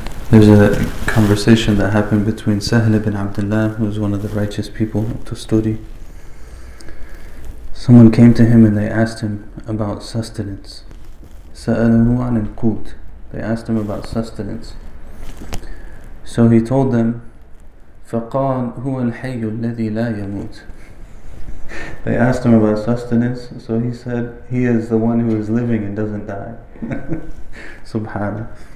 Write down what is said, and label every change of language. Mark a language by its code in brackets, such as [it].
[en] There's a conversation that happened between Sahl ibn Abdullah, who is one of the righteous people to study. Someone came to him and they asked him about sustenance. [ar] سألوه عن القوت. [en] They asked him about sustenance. So he told them, [ar] فقال هو الحي الذي لا يموت. [en] They asked him about sustenance, so he said, he is the one who is living and doesn't die. Subhanallah.